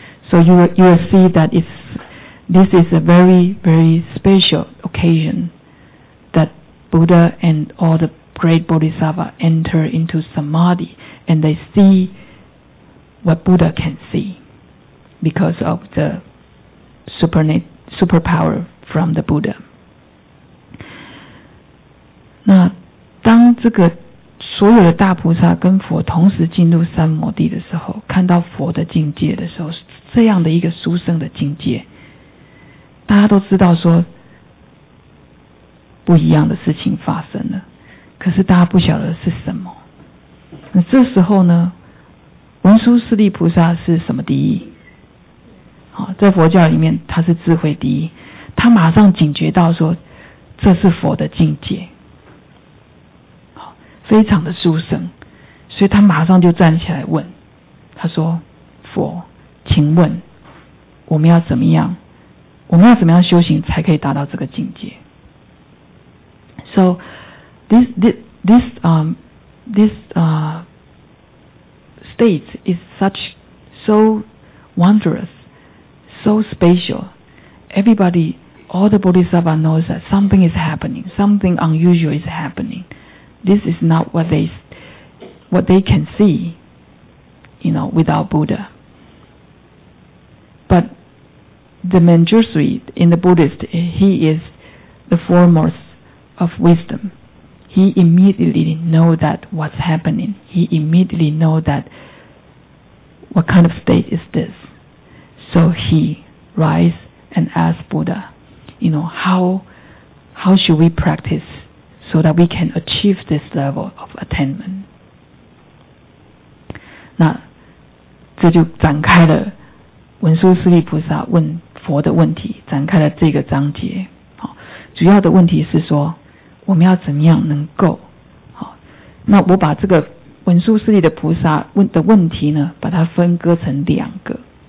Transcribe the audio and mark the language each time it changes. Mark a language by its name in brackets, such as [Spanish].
[English] So you will see that this is a very, very special occasion that Buddha and all the great bodhisattva enter into samadhi and they see what Buddha can see because of the superpower from the Buddha. [Chinese] 那当这个所有的大菩萨跟佛同时进入三摩地的时候，看到佛的境界的时候，这样的一个殊胜的境界，大家都知道说不一样的事情发生了，可是大家不晓得是什么。那这时候呢，文殊师利菩萨是什么第一？在佛教里面他是智慧第一，他马上警觉到说这是佛的境界，非常的殊胜，所以他马上就站起来问，他说：佛，请问我们要怎么样修行才可以达到这个境界？ [English] So this state is such so wondrousSo special, everybody, all the bodhisattva knows that something is happening, something unusual is happening. This is not what they can see, you know, without Buddha. But the Manjushri in the Buddhist, he is the foremost of wisdom. He immediately know that what's happening. He immediately know that what kind of state is this. So he. Rise and ask Buddha, you know, how should we practice so that we can achieve this level of attainment? [Chinese] 那这就展开了文殊师利菩萨问佛的问题，展开了这个章节。主要的问题是说，我们要怎么样能够，那我把这个文殊师利的菩萨的问题呢，把它分割成两个。